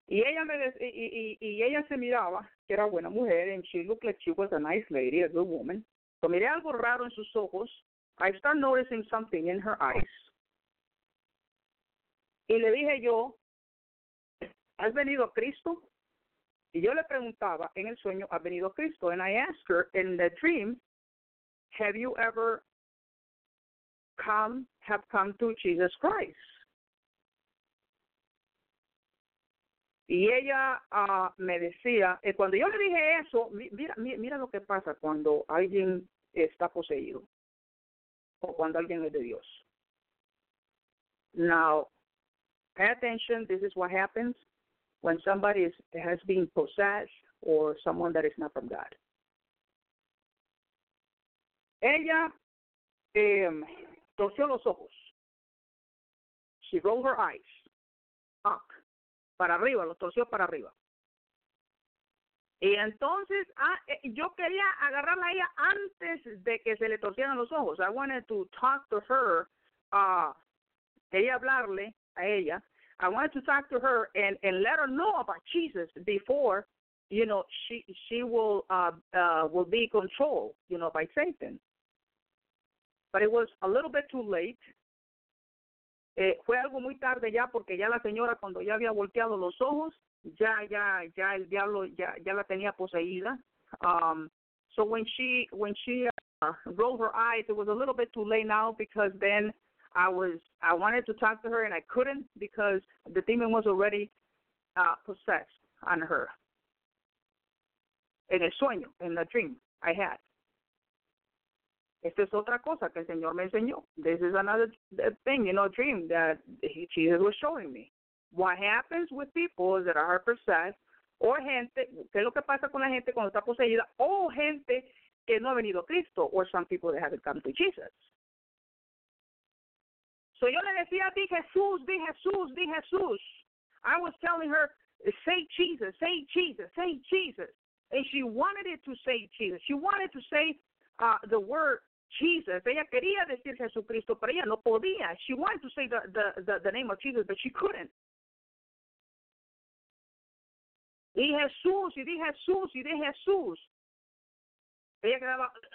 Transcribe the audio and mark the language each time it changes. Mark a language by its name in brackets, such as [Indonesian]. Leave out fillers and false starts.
[Spanish] Y ella se miraba que era buena mujer. [English] And she looked like she was a nice lady, a good woman. [Spanish] So miré algo raro en sus ojos. [English] I started noticing something in her eyes. [Spanish] Y le dije yo, ¿has venido a Cristo? Y yo le preguntaba en el sueño, ¿has venido a Cristo? [English] And I asked her in the dream, have you ever come to Jesus Christ? [Spanish] Y ella me decía, cuando yo le dije eso, mira lo que pasa cuando alguien está poseído o cuando alguien es de Dios. [English] Now, pay attention, this is what happens when somebody has been possessed or someone that is not from God. [Spanish] Ella torció los ojos. [English] She rolled her eyes up, [Spanish] para arriba, los torció para arriba. Y entonces yo quería agarrarla a ella antes de que se le torcieran los ojos. [English] I wanted to talk to her, [Spanish] quería hablarle a ella. [English] I wanted to talk to her and let her know about Jesus before, you know, she will be controlled, you know, by Satan. But it was a little bit too late. [Spanish] Fue algo muy tarde ya porque ya la señora cuando ya había volteado los ojos, ya el diablo ya la tenía poseída. [English] So when she rolled her eyes, it was a little bit too late now because then I wanted to talk to her and I couldn't because the demon was already possessed on her. [Spanish] En el sueño, [English] in the dream I had. [Spanish] Esta es otra cosa que el Señor me enseñó. [English] This is another thing, you know, dream that Jesus was showing me. What happens with people that are possessed, [Spanish] o gente, ¿qué es lo que pasa con la gente cuando está poseída? O gente que no ha venido a Cristo, [English] or some people that haven't come to Jesus. [Spanish] So yo le decía, di Jesús, di Jesús, di Jesús. [English] I was telling her, say Jesus, say Jesus, say Jesus. And she wanted it to say Jesus. She wanted to say the word Jesus. [Spanish] Ella quería decir Jesucristo, pero ella no podía. [English] She wanted to say the name of Jesus, but she couldn't. [Spanish] Y Jesús, y di Jesús, y di Jesús. Ella quedaba...